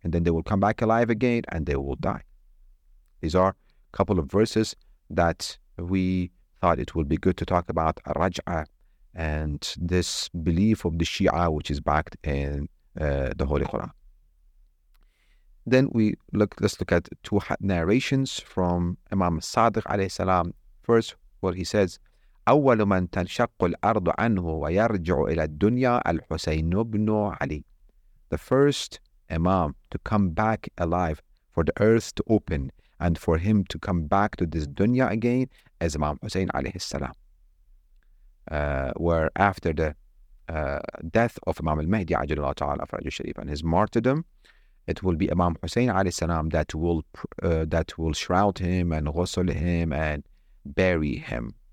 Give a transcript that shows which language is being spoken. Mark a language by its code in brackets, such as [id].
[en] And then they will come back alive again and they will die. These are a couple of verses that we thought it would be good to talk about Raj'ah, and this belief of the Shia, which is backed in the Holy Quran. Then let's look at two narrations from Imam Sadiq alayhi salam. First, what he says, [ar] أول من تنشق الأرض عنه ويرجع إلى الدنيا الحسين بن علي. [en] The first Imam to come back alive, for the earth to open, and for him to come back to this dunya again, is Imam Hussein alayhi salam. Where after the death of Imam al-Mahdi ajalallahu ta'ala faraju sharif and his martyrdom, it will be Imam Hussein alayhi salam that will shroud him and ghusl him and bury him.